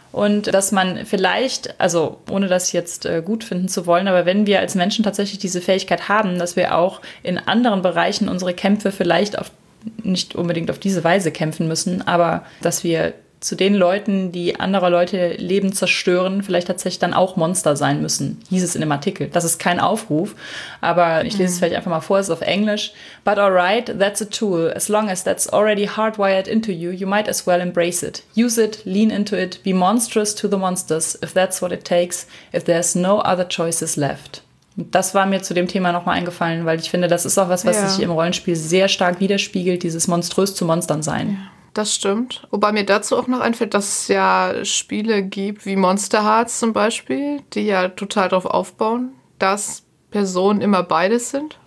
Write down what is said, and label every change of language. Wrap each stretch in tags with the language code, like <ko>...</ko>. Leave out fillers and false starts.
<de>Und dass man vielleicht, also ohne das jetzt gut finden zu wollen, aber wenn wir als Menschen tatsächlich diese Fähigkeit haben, dass wir auch in anderen Bereichen unsere Kämpfe vielleicht auf, nicht unbedingt auf diese Weise kämpfen müssen, aber dass wir zu den Leuten, die andere Leute Leben zerstören, vielleicht tatsächlich dann auch Monster sein müssen, hieß es in dem Artikel. Das ist kein Aufruf, aber ich lese es vielleicht einfach mal vor, es ist auf Englisch.</de> <en>But alright, that's a tool. As long as that's already hardwired into you, you might as well embrace it. Use it, lean into it, be monstrous to the monsters, if that's what it takes, if there's no other choices left.</en> <de>Das war mir zu dem Thema nochmal eingefallen, weil ich finde, das ist auch was sich im Rollenspiel sehr stark widerspiegelt, dieses monströs zu Monstern sein. Ja. Das stimmt. Wobei mir dazu auch noch einfällt, dass es ja Spiele gibt wie Monster Hearts zum Beispiel, die ja total darauf aufbauen, dass Personen immer beides sind.</de>